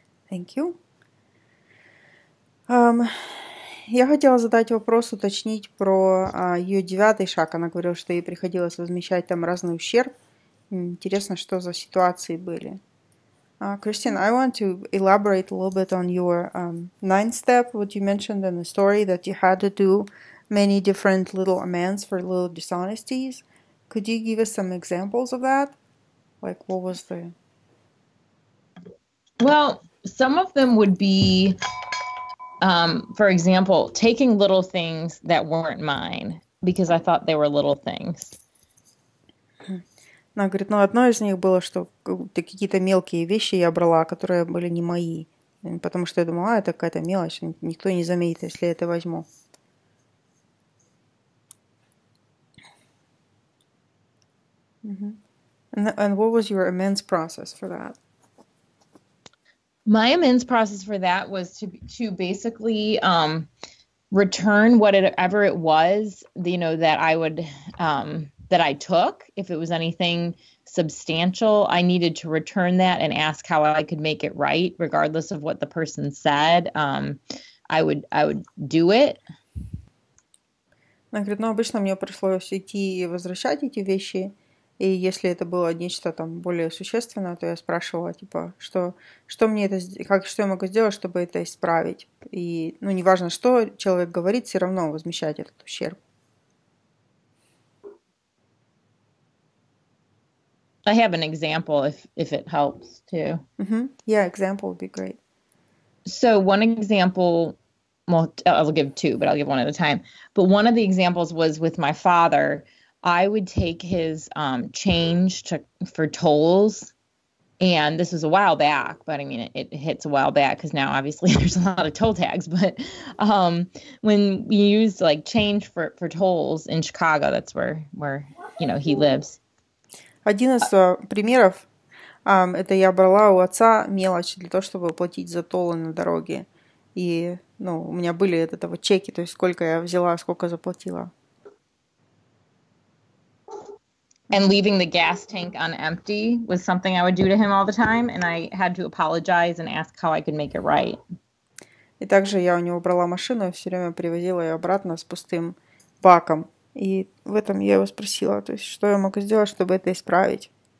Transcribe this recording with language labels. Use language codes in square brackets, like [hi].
[en] Thank you. [ru] Я хотела задать вопрос, уточнить про ее девятый шаг. Она говорила, что ей приходилось возмещать там разный ущерб. Интересно, что за ситуации были. [en] Кристин, I want to elaborate a little bit on your ninth step, what you mentioned in the story, that you had to do many different little amends for little dishonesties. Could you give us some examples of that? Like, what was the... Well... Some of them would be, for example, taking little things that weren't mine because I thought they were little things. [ru] Она говорит, ну, одно из них было, что какие-то мелкие вещи я брала, которые были не мои, потому что я думала, а, это какая-то мелочь, никто не заметит, если я это возьму. Mm-hmm. [en] And what was your amends process for that? My amends process for that was to basically return whatever it was, you know, that I would that I took. If it was anything substantial, I needed to return that and ask how I could make it right, regardless of what the person said. I would do it. [ru] Она говорит, ну обычно мне пришлось идти и возвращать эти вещи. И если это было нечто там более существенное, то я спрашивала, типа, что мне это, как, что я могу сделать, чтобы это исправить. И, ну, неважно, что человек говорит, все равно возмещать этот ущерб. [en] I have an example, if it helps, too. Mm-hmm. Yeah, example would be great. So, one example, well, I'll give two, but I'll give one at a time. But one of the examples was with my father. I would take his change for tolls, and this was a while back, but I mean, it hits a while back because now obviously there's a lot of toll tags, but when we use like change for tolls in Chicago, that's where, you know, he lives. [ru] Один из примеров, это я брала у отца мелочь для того, чтобы платить за толлы на дороге, и, ну, у меня были от этого чеки, то есть сколько я взяла, сколько заплатила. [en] And leaving the gas tank on empty was something I would do to him all the time, and I had to apologize and ask how I could make it right. [ru] И также я у него брала машину и все время привозила ее обратно с пустым баком. И в этом я его спросила, то есть что я могу сделать, чтобы это исправить.